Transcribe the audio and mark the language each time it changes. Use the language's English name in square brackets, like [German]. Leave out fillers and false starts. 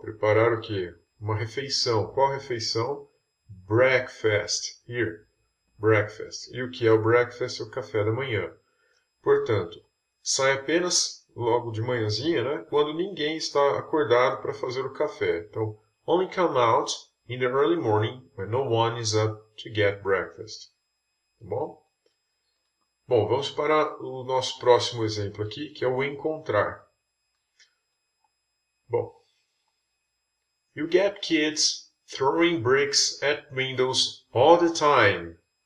[Portuguese] Preparar o quê? Uma refeição. Qual refeição? [English] Breakfast. Here. Breakfast. [Portuguese] E o que é o breakfast? É o café da manhã. Portanto, sai apenas logo de manhãzinha, né? Quando ninguém está acordado para fazer o café. Então, [English] only come out in the early morning when no one is up to get breakfast. [Portuguese] Tá bom? Bom, vamos para o nosso próximo exemplo aqui, que é o encontrar. Bom, [English] you get kids throwing bricks at windows all the time.